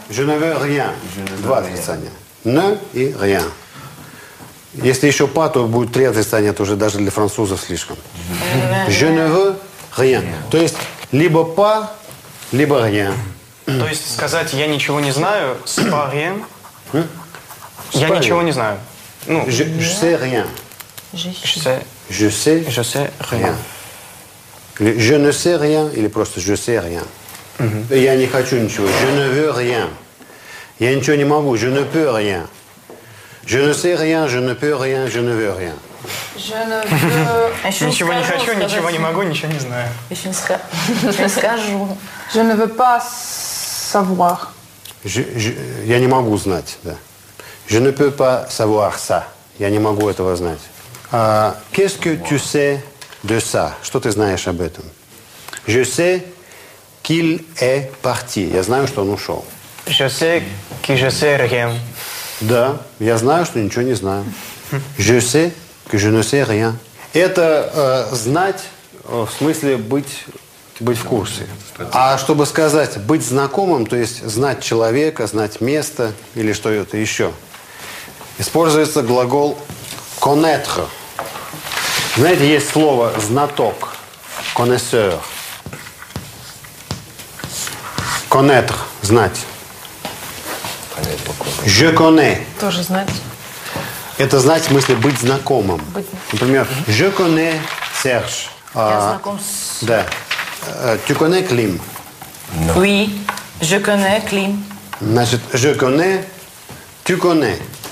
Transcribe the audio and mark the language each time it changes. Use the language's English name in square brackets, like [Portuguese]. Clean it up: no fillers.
[French] Je ne veux rien. [Russian] Два отрицания. [French] Ne и rien. [Russian] Если еще па, то будет три отрицания. Это уже даже для французов слишком. [French] Je ne veux rien. [Russian] То есть, либо «па», либо «rien». То есть, сказать «я ничего не знаю» с «па rien»? Я ничего не знаю. [French] Ну, «Je sais rien». «Je sais». «Je sais rien». «Je ne sais rien» [Russian] или просто [French] «je sais rien». [Russian] «Я не хочу ничего». [French] «Je ne veux rien». [Russian] «Я ничего не могу». [French] «Je ne peux rien». «Je ne sais rien». «Je ne peux rien». «Je ne veux rien». [Russian] Ничего не хочу, ничего не могу, ничего не знаю. Еще не скажу. [French] Je ne veux pas savoir. [Russian] Я не могу знать, да. [French] Je ne peux pas savoir ça. [Russian] Я не могу этого знать. [French] Qu'est-ce que tu sais de ça? [Russian] Что ты знаешь об этом? [French] Je sais qu'il est parti. [Russian] Я знаю, что он ушел. [French] Je sais que je sais rien. [Russian] Да, я знаю, что ничего не знаю. [French] Je sais que je ne sais rien. [Russian] Это знать, в смысле быть в курсе. А чтобы сказать быть знакомым, то есть знать человека, знать место или что-то еще, используется глагол connaître. Знаете, есть слово «знаток», «connaisseur». «Connaître» – «знать». [French] «Je connais» [Russian] – тоже «знать». Это «знать» в смысле «быть знакомым». [French] Например, «je connais Serge». [Russian] Я знаком с... [French] Да. «Tu connais Klim». No. «Oui, je connais Klim». Значит, «je connais», «tu connais».